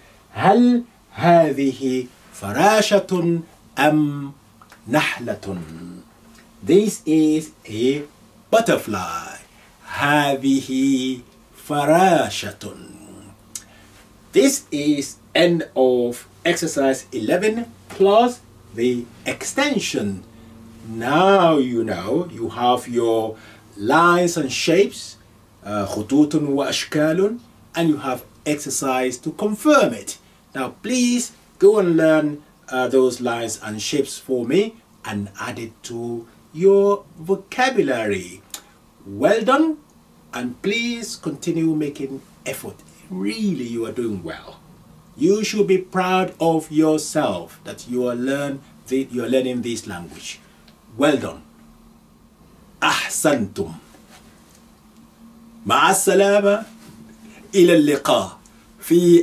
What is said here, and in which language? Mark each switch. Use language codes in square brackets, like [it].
[ar] هل هذه فراشة أم نحلة؟ [en] This is a butterfly. [ar] هذه فراشة. [en] This is end of exercise 11 plus the extension. Now you know, you have your lines and shapes, [ar] خطوط وأشكال, [en] and you have exercise to confirm it. Now please go and learn those lines and shapes for me and add it to your vocabulary. Well done, and please continue making effort. Really, you are doing well. You should be proud of yourself that you are learning this language. Well done. [ar] أحسنتم. مع السلامة. إلى اللقاء. في